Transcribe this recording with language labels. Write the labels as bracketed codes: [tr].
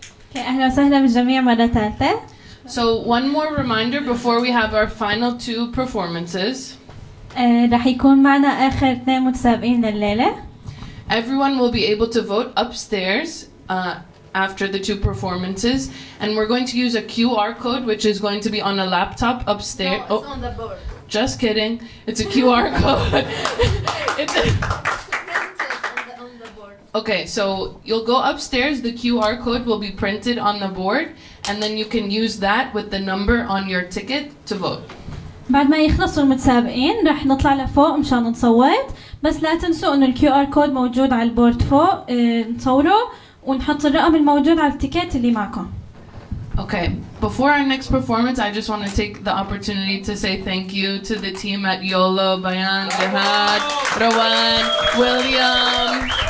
[ar] Okay, أهلا وسهلا بالجميع مرة ثالثة. [en] So one more reminder before we have our final two performances. [ar] رح يكون معنا آخر اثنين متسابقين لليلة. [en] Everyone will be able to vote upstairs after the two performances, and we're going to use a QR code, which is going to be on a laptop upstairs. No, it's on the board. Just kidding. It's a QR code. It's okay, so you'll go upstairs, the QR code will be printed on the board, and then you can use that with the number on your ticket to vote. [ar] بعد ما يخلصوا المتسابقين رح نطلع لفوق مشان نصوت، بس لا تنسوا انه الQR code موجود على البورد فوق، نصوره ونحط الرقم الموجود على التيكيت اللي معكم. [en] Okay, before our next performance, I just want to take the opportunity to say thank you to the team at YOLO, Bayan, Jihad, Rowan, William.